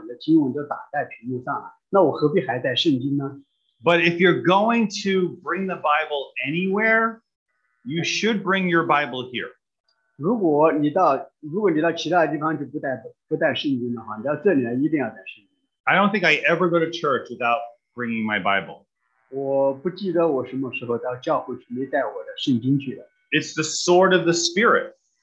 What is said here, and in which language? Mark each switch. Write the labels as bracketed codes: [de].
[zh] 我想我自己也是这个问题的根源之一，因为讲道的人、牧师他们常常就是把要讲的经文都打在屏幕上，那我何必还带圣经呢？ [en] But if you're going to bring the Bible anywhere, you should bring your Bible here. [zh] 如果你到其他地方就不带圣经的话，你到这里来一定要带圣经。 [en] I don't think I ever go to church without bringing my Bible. It's the sword of the Spirit.